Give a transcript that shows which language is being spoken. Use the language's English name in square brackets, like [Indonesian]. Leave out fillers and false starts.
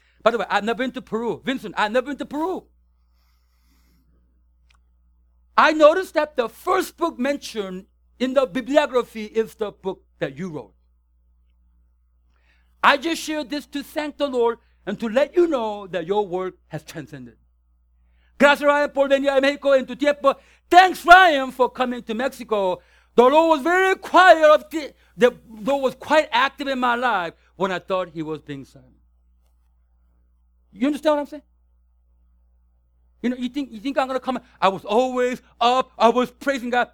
[English] By the way, I've never been to Peru. Vincent, I've never been to Peru. I noticed that the first book mentioned in the bibliography is the book that you wrote. I just shared this to thank the Lord and to let you know that your work has transcended. [Spanish] Gracias, Ryan, por venir a México en tu tiempo. [English] Thanks, Ryan, for coming to Mexico. The Lord was very quiet. The Lord was quite active in my life when I thought he was being silent. You understand what I'm saying? You know, you think I'm going to come? I was always up. I was praising God.